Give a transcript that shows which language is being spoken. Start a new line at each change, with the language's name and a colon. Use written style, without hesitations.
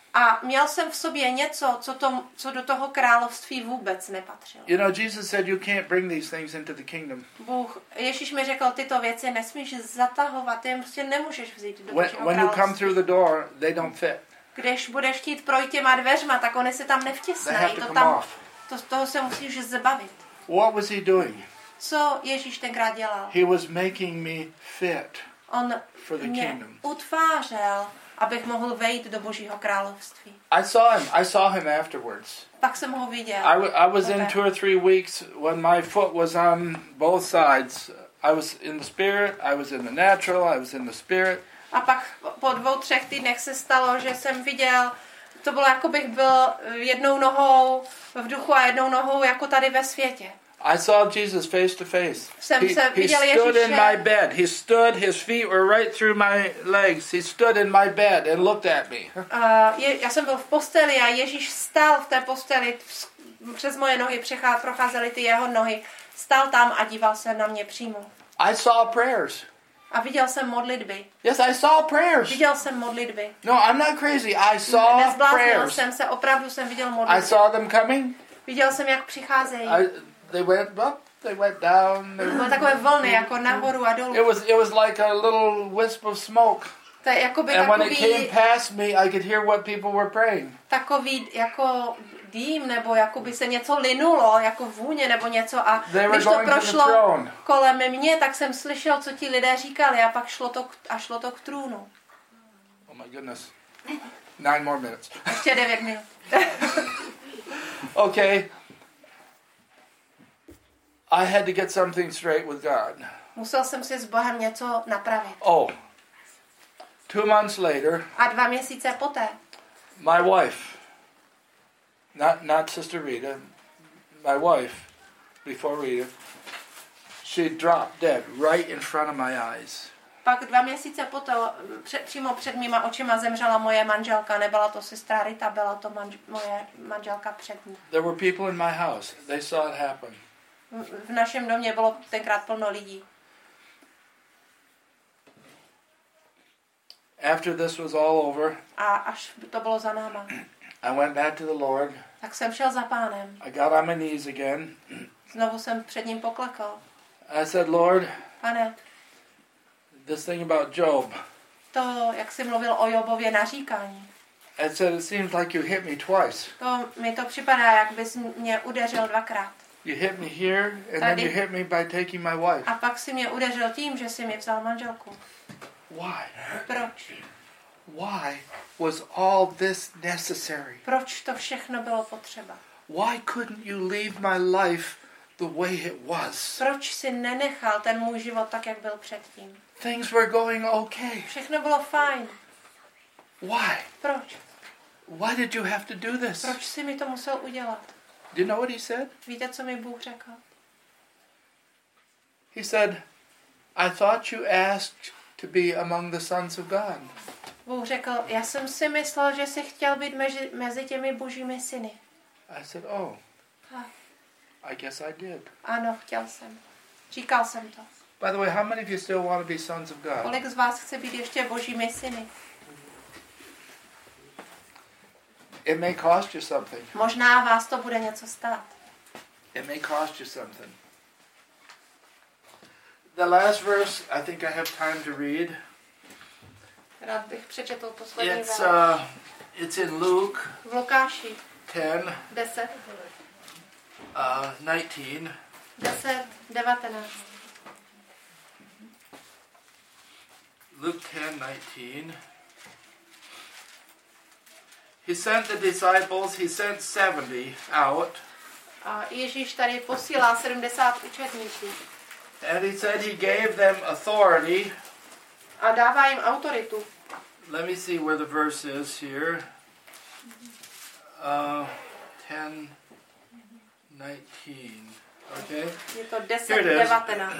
Czech: A měl jsem v sobě něco, co do toho království vůbec nepatřilo.
English: You know, Jesus said you can't bring these things into the kingdom.
Czech: Bůh, Ježíš mi řekl, tyto věci nesmíš zatahovat, ty prostě nemůžeš vzít do Božího království.
English: When you come through the door, they don't fit.
Czech: Když budeš chtít projít těma dveřma, tak oni se tam nevtisnají. To tam off. To toho se musíš zbavit.
English: What was he doing?
Czech: Co Ježíš tenkrát dělal?
English: He was making me fit. On for the mě kingdom.
Czech: Utvářel, abych mohl vejít do Božího království.
English: I saw him afterwards.
Czech: Tak jsem ho viděl.
English: I was in 2 or 3 weeks when my foot was on both sides. I was in the spirit, I was in the natural, I was in the spirit.
Czech: A pak po 2-3 týdnech se stalo, že jsem viděl, to bylo jako bych byl jednou nohou v duchu a jednou nohou jako tady ve světě.
English: I saw Jesus face to face. He stood in my bed. He stood, his feet were right through my legs. He stood in my bed and looked at me.
Czech: Já jsem byl v posteli a Ježíš stál v té posteli přes moje nohy, procházely ty jeho nohy stál tam a díval se na mě přímo.
English: I saw prayers.
Czech: A viděl jsem modlitby.
English: Yes, I saw prayers.
Czech: Viděl jsem modlitby.
English: No, I'm not crazy. I saw prayers.
Czech: Nezbláznil jsem se, opravdu jsem viděl modlitby.
English: I saw them coming.
Czech: Viděl jsem, jak přicházejí.
English: They went up, they went down.
Czech: Byly takové vlny, jako nahoru a dolů.
English: It was like a little wisp of smoke.
Czech: To je jakoby takový.
English: And when it came past me, I could hear what people were praying.
Czech: Takový jako dým, nebo jakoby se něco linulo, jako vůně nebo něco, a když to prošlo kolem mě, tak jsem slyšel, co ti lidé říkali, a pak šlo to k trůnu.
English: Oh my goodness. 9 more minutes.
Czech: Ještě 9 minut.
English: Okay. I had to get something straight with God.
Czech: Musel jsem si s Bohem něco napravit.
English: Oh. 2 months later.
Czech: A 2 měsíce poté.
English: My wife. Not Sister Rita, my wife, before Rita, she dropped dead right in front of my eyes.
Czech: Pak 2 měsíce přímo před mýma očima zemřela moje manželka. Nebyla to sestra Rita, byla to moje manželka před ní.
English: There were people in my house. They saw it happen.
Czech: V našem domě bylo tenkrát plno lidí.
English: After this was all over.
Czech: A až to bylo za náma.
English: I went back to the Lord.
Czech: Tak jsem šel za Pánem.
English: I got on my knees again.
Czech: Znovu jsem před ním poklekl.
English: I said, Lord.
Czech: Pane.
English: This thing about Job.
Czech: To, jak jsi mluvil o Jobově naříkání.
English: I said, it seems like you hit me twice.
Czech: To mi to připadá, jak bys mě udeřil dvakrát.
English: You hit me here, and tady. Then you hit me by taking my wife.
Czech: A pak jsi mě udeřil tím, že jsi mi vzal manželku.
English: Why?
Czech: Proč?
English: Why was all this necessary?
Czech: Proč to všechno bylo potřeba?
English: Why couldn't you leave my life the way it was?
Czech: Proč jsi nenechal ten můj život tak, jak byl předtím?
English: Things were going okay.
Czech: Všechno bylo fajn.
English: Why?
Czech: Proč?
English: Why did you have to do this?
Czech: Proč jsi mi to musel udělat?
English: Do you know what he said?
Czech: Víte, co mi Bůh řekl?
English: He said, I thought you asked to be among the sons of God.
Czech: Bůh řekl, já jsem si myslel, že jsi chtěl být mezi těmi božími syny.
English: I said, oh. I guess I did.
Czech: Ano, chtěl jsem. Říkal jsem to.
English: By the way, how many of you still want to be sons of God?
Czech: Kolik z vás chce být ještě božími syny?
English: It may cost you something.
Czech: Možná vás to bude něco stát.
English: It may cost you something. The last verse, I think I have time to read.
Czech: Rád bych přečetl poslední verš.
English: It's in Luke.
Czech: V Lukáši. 10. 10. 19. 10. 19.
English: Luke 10, 19. He sent the disciples, he sent 70 out.
Czech: A Ježíš tady posílá 70 učedníků.
English: And he said he gave them authority.
Czech: A dává jim autoritu.
English: Let me see where the verse is here. 10, 19. Okay.
Czech: Je to 10,
English: here it
Czech: 19.